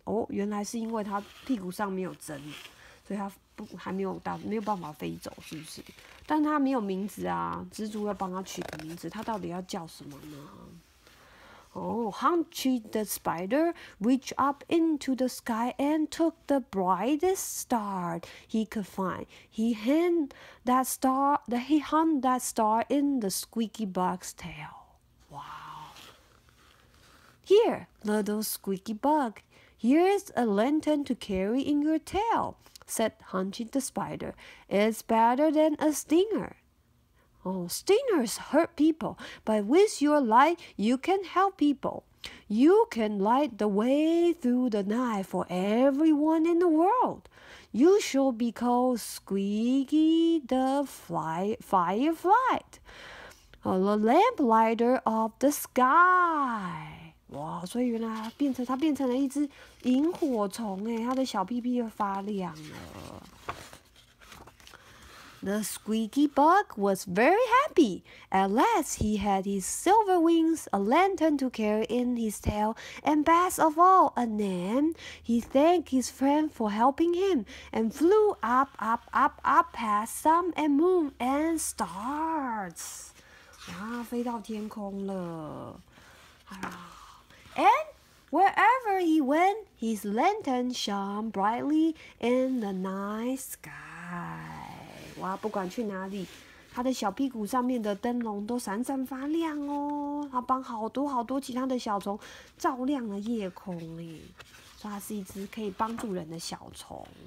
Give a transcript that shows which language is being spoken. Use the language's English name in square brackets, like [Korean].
[Chinese] 哦，原来是因为他屁股上没有针，所以他不还没有到没有办法飞走，是不是？但他没有名字啊，蜘蛛要帮他取个名字，他到底要叫什么呢？ [English] Oh, Humpty the spider reached up into the sky and took the brightest star he could find. He hung that star in the squeaky bug's tail. Wow. Here, little squeaky bug, here's a lantern to carry in your tail, said Humpty the spider. It's better than a stinger. Oh, stingers hurt people, but with your light, you can help people. You can light the way through the night for everyone in the world. You shall be called Squeaky the Firefly, the lamplighter of the sky. [Chinese] 哇，所以原来他变成了一只萤火虫，他的小屁屁又发亮了。 [English] The squeaky bug was very happy. At last, he had his silver wings, a lantern to carry in his tail, and best of all, a name. He thanked his friend for helping him and flew up, up, up, up past sun and moon and stars. [Chinese] 啊，飞到天空了。 [English] And wherever he went, his lantern shone brightly in the night sky. [Chinese] 哇，不管去哪里，他的小屁股上面的灯笼都闪闪发亮哦。他帮好多好多其他的小虫照亮了夜空耶，所以他是一只可以帮助人的小虫。